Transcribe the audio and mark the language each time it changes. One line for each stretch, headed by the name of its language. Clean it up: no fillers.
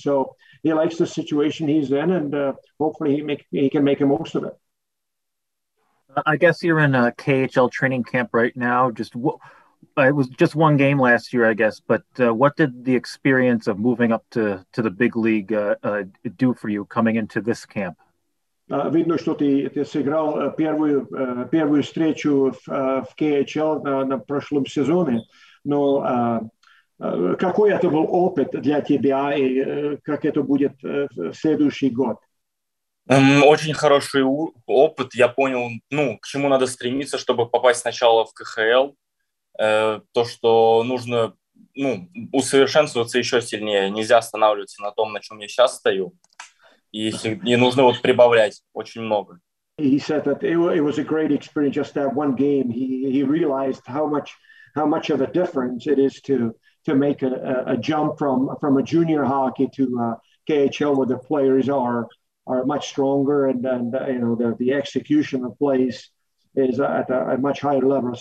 English: So he likes the situation he's in, and hopefully he can make the most of it. I guess you're in a KHL training camp right now. It was just one game last year, I guess, but what did the experience of moving up to the big league do for you coming into this camp?
Ukrainian: Видно, що ти зіграв першу зустрічу в КХЛ на прошлому сезоні. Ну, який це був опит для тебе і як це буде в наступний рік?
Russian: Очень хороший опыт. Я понял, к чему надо стремиться, чтобы попасть сначала в КХЛ. То, что нужно усовершенствоваться еще сильнее. Нельзя останавливаться на том, на чем я сейчас стою. И нужно вот прибавлять очень много.
English: He said that it was a great experience just that one game. He realized how much of a difference it is to make a jump from a junior hockey to KHL, where the players are much stronger and the execution of plays is at a much higher level.